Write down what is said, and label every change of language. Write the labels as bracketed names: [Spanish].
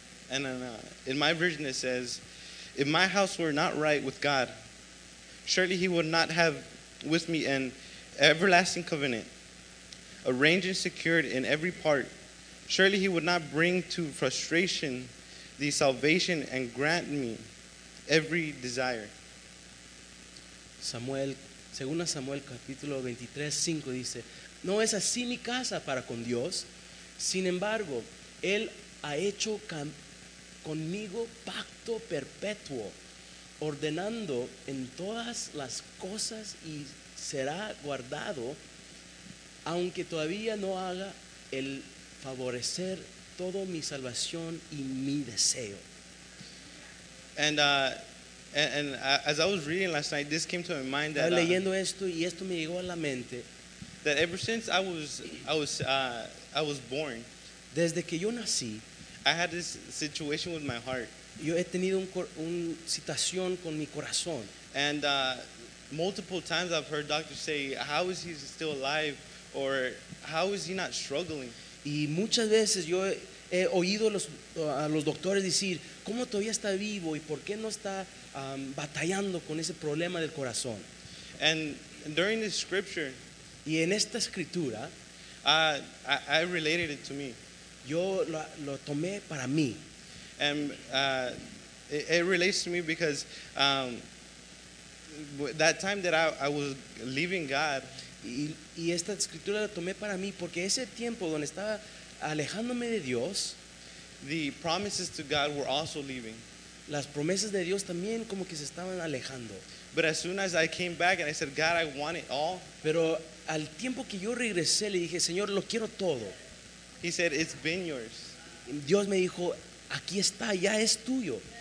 [English] And in my version it says, if my house were not right with God, surely he would not have with me an everlasting covenant, arranged and secured in every part. Surely he would not bring to frustration the salvation and grant me every desire. [Spanish] Samuel, segundo Samuel capítulo 23, 5 dice, no es así mi casa para con Dios. Sin embargo, él ha hecho conmigo pacto perpetuo, ordenando en todas las cosas y será guardado, aunque todavía no haga el favorecer todo mi salvación y mi deseo. [English] And as I was reading last night, this came to my mind that. [Spanish] Leyendo esto y esto me llegó a la mente. [English] That ever since I was born. [Spanish] Desde que yo nací. [English] I had this situation with my heart. [Spanish] Yo he tenido un situación con mi corazón. [English] And multiple times I've heard doctors say, how is he still alive? Or how is he not struggling? [Spanish] Y muchas veces yo he oído a los doctores decir, ¿cómo todavía está vivo? ¿Y por qué no está batallando con ese problema del corazón? [English] And during this scripture, [Spanish] y en esta escritura, [English] I related it to me. [Spanish] Yo lo tomé para mí. [English] And it relates to me because that time that I was leaving God. [Spanish] Y esta escritura la tomé para mí porque ese tiempo donde estaba alejándome de Dios. [English] The promises to God were also leaving. [Spanish] Las promesas de Dios también como que se estaban alejando. [English] But as soon as I came back and I said, God, I want it all. [Spanish] Pero al tiempo que yo regresé le dije, Señor, lo quiero todo. [English] He said, it's been yours. [Spanish] Dios me dijo, aquí está, ya es tuyo.